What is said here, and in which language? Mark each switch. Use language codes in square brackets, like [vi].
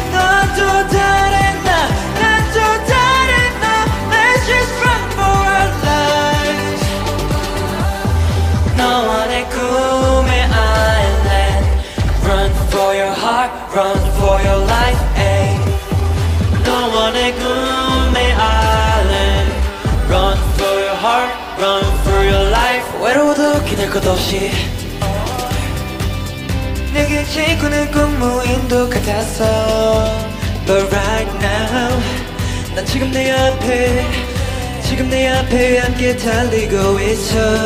[ko] 넌 또 다른 나, 난 또 다른 나. [en] Let's just run for our lives. [ko] 너와 내 꿈의 island. [en] Run for your heart, run for your life, ay. [ko] 너와 내 꿈의 island. [en] Run for your heart, run for your life. [ko] 외로워도 기댈 것 없이 내게 친구는 꿈무인도 같았어. [en] But right now [ko] 난 지금 내 앞에 지금 내 앞에 함께 달리고 있어.